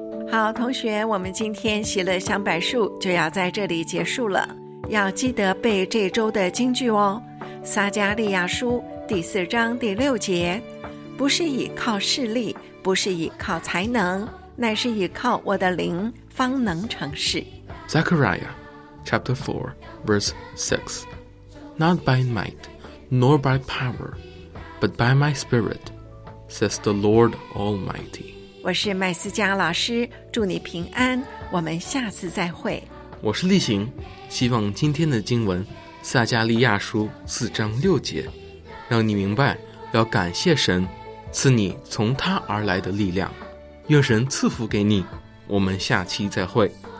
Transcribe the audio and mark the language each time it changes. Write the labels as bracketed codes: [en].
[zh] 好，同学，我们今天喜乐香柏树就要在这里结束了，要记得背这周的金句哦。撒迦利亚书第四章第六节，不是依靠势力，不是依靠才能，乃是依靠我的灵方能成事。 [en] Zechariah chapter 4 verse 6, Not by might nor by power, but by my spirit, says the Lord Almighty。 [zh] 我是麦思佳老师，祝你平安，我们下次再会。我是例行，希望今天的经文撒迦利亚书四章六节让你明白要感谢神赐你从他而来的力量，愿神赐福给你，我们下期再会。